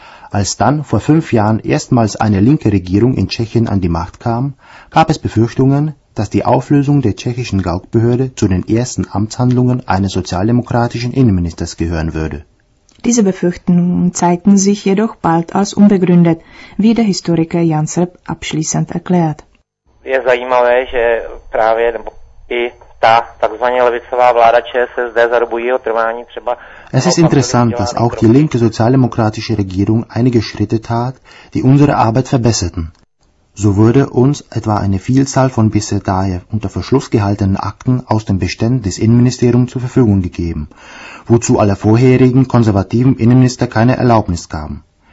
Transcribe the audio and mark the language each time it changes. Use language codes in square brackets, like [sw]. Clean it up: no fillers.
[de] Als dann vor 5 Jahren erstmals eine linke Regierung in Tschechien an die Macht kam, gab es Befürchtungen, dass die Auflösung der tschechischen GAUK-Behörde zu den ersten Amtshandlungen eines sozialdemokratischen Innenministers gehören würde. Diese Befürchtungen zeigten sich jedoch bald als unbegründet, wie der Historiker Jansep abschließend erklärt. [cs] Je zajímavé, že právě nebo i ta takzvaně levicová vláda ČSSD za dobu jeho trvání třeba... [de] Es ist interessant, dass auch die linke sozialdemokratische Regierung einige Schritte tat, die unsere Arbeit verbesserten. So wurde uns etwa eine Vielzahl von bisher daher unter Verschluss gehaltenen Akten aus den Beständen des Innenministeriums zur Verfügung gegeben, wozu alle vorherigen konservativen Innenminister keine Erlaubnis gaben.